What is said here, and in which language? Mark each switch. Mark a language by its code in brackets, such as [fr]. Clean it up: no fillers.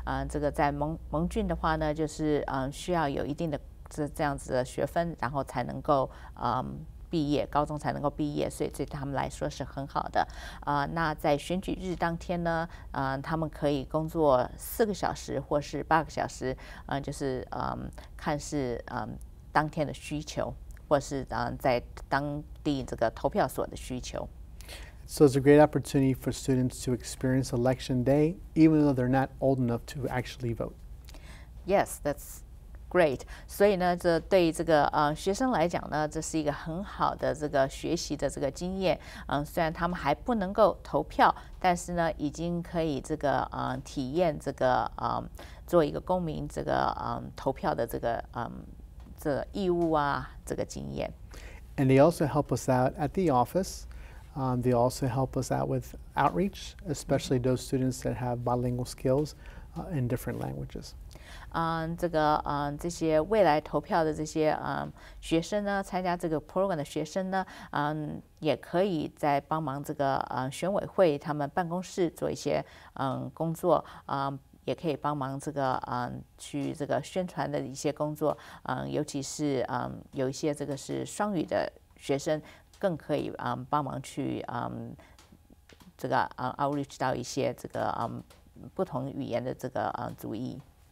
[zh] 这个在盟郡的话呢，就是需要有一定的这样子的学分，然后才能够毕业，高中才能够毕业，所以对他们来说是很好的。那在选举日当天呢，他们可以工作4个小时或是8个小时，就是看是当天的需求，或是在当地这个投票所的需求。 [en] So it's a great opportunity for students to experience election day, even though they're not old enough to actually vote. Yes, that's great. [zh] 所以呢，这对这个学生来讲呢，这是一个很好的这个学习的这个经验。虽然他们还不能够投票，但是呢，已经可以这个体验这个做一个公民这个投票的这个这个义务啊这个经验。 [en] And they also help us out at the office. They also help us out with outreach, especially those students that have bilingual skills in different languages. [zh] 这个这些未来投票的这些学生呢，参加这个 program 的学生呢，也可以在帮忙这个选委会他们办公室做一些工作，也可以帮忙这个去这个宣传的一些工作，尤其是有一些这个是双语的学生，更可以帮忙去这个outreach 到一些这个不同语言的这个族裔。